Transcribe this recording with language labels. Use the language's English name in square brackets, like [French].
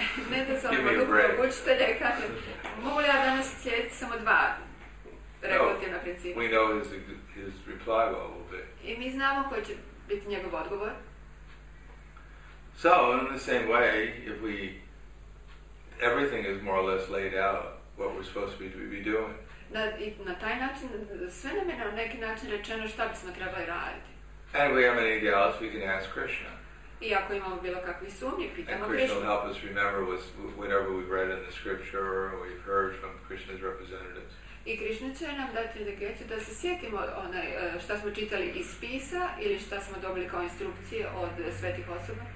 [Croatian] Ne da sam ono duhovnog učitelja i kažem, mogu li ja danas slijediti samo dva regulativna principa? [English] No, we know his reply what will be. [Croatian] I mi znamo koji će biti njegov odgovor. [English] So, in the same way, if we, everything is more or less laid out, what we're supposed to be doing. [Croatian] Da, i na taj način, sve nam je na neki način rečeno šta bismo trebali raditi. [English] And we have any doubts, we can ask Krishna. [Croatian] I ako imamo bilo kakvi sumnje, pitamo Krishnu. [English] And Krishna help us remember whatever we've read in the scripture or we've heard from Krishna's representatives. [Croatian] I Krishna će nam dati indikaciju da se sjetimo onaj što smo čitali iz pisa ili što smo dobili kao instrukcije od svetih osoba.